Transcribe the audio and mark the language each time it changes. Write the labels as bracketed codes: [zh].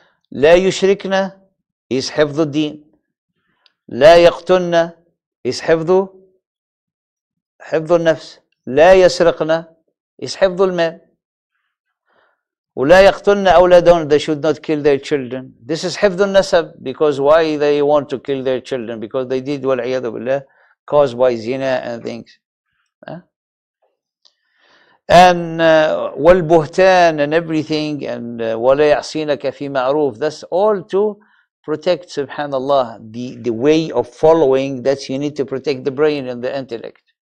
[ar] لا يشركن إذ حفظ الدين، لا يقتلن إذ حفظ النفس، لا يسرقن إذ حفظ المال، ولا يقتلن أولادهن. [en] They should not kill their children. This is [ar] حفظ النسب. [en] Because why they want to kill their children? Because they did [ar] والعياذ بالله [en] caused by zina and things. [ar] والبهتان [en] and everything and [ar] ولا يعصينك في معروف. [en] That's all to protect, subhanAllah, the way of following. That you need to protect the brain and the intellect.